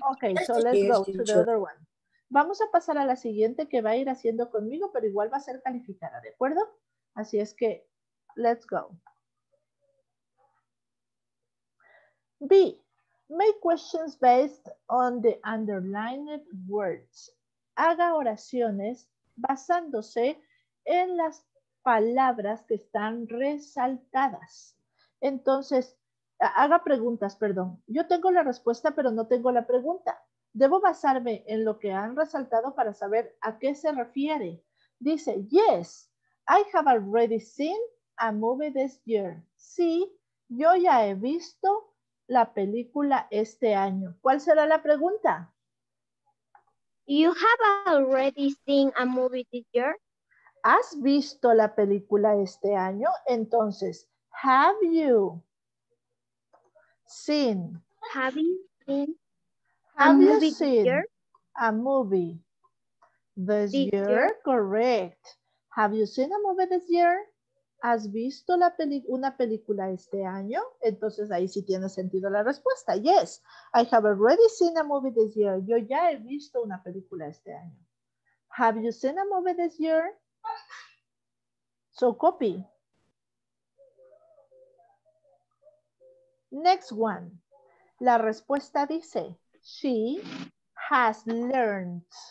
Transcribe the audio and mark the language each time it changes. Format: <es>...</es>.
<en>Ok, so let's go to the other one.</en> <es>Vamos a pasar a la siguiente que va a ir haciendo conmigo, pero igual va a ser calificada, ¿de acuerdo? Así es que,</es> <en>let's go. B, make questions based on the underlined words.</en> <es>Haga oraciones basándose en las palabras que están resaltadas. Entonces, haga preguntas, perdón. Yo tengo la respuesta, pero no tengo la pregunta. Debo basarme en lo que han resaltado para saber a qué se refiere.</es> <en>Dice, yes, I have already seen a movie this year.</en> <es>Sí, yo ya he visto la película este año. ¿Cuál será la pregunta?</es> <en>You have already seen a movie this year.</en> <es>¿Has visto la película este año?</es> <en>Entonces, Have you seen a movie this year? Correct. Have you seen a movie this year?</en> <es>¿Has visto una película este año? Entonces ahí sí tiene sentido la respuesta.</es> <en>Yes, I have already seen a movie this year.</en> <es>Yo ya he visto una película este año.</es> <en>Have you seen a movie this year? So copy. Next one.</en> <es>La respuesta dice,</es> <en>she has learned.</en>